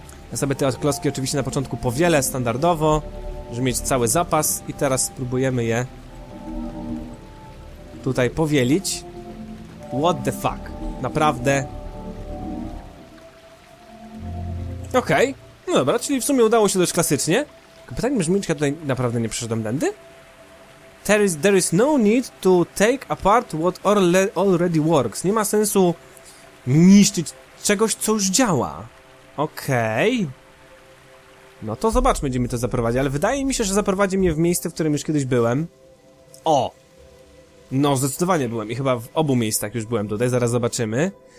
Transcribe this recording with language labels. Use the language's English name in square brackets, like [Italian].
[Polish] Ja sobie te klocki oczywiście na początku powielę standardowo, żeby mieć cały zapas i teraz spróbujemy je tutaj powielić. [English] What the fuck? [Polish] Naprawdę? Okej. Okay. No dobra, czyli w sumie udało się dość klasycznie. Pytanie brzmi, czy ja tutaj naprawdę nie przeszedłem dędy? [English] There is no need to take apart what already works. [Polish] Nie ma sensu niszczyć czegoś, co już działa. Okej. No to zobaczmy, gdzie mnie to zaprowadzi, ale wydaje mi się, że zaprowadzi mnie w miejsce, w którym już kiedyś byłem. O! No, zdecydowanie byłem i chyba w obu miejscach już byłem tutaj, zaraz zobaczymy.